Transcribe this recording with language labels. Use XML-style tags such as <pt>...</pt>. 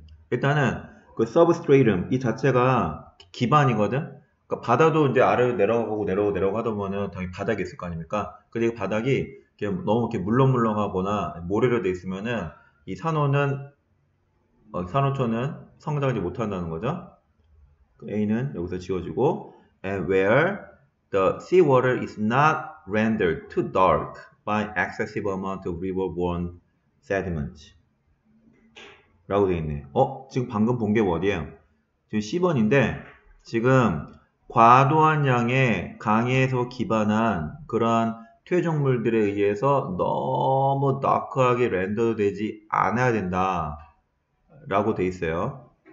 <ko>일단은 그 Substratum 이 자체가 기반이거든. 그러니까 바다도 이제 아래로 내려가고 내려가고 하다 보면 당연히 바닥이 있을 거 아닙니까? 그리고 바닥이 이렇게 너무 이렇게 물렁물렁하거나 모래로 돼 있으면은 이 산호초는 성장하지 못한다는 거죠. A는 여기서 지워지고,</ko> <en>and where the seawater is not rendered too dark by excessive amount of river-borne sediments.</en> <ko>라고 되어있네. 지금 방금 본게 어디예요? 지금 10번인데 지금 과도한 양의 강에서 기반한 그러한 퇴적물들에 의해서 너무 다크하게 렌더 되지 않아야 된다 라고 돼 있어요.</ko>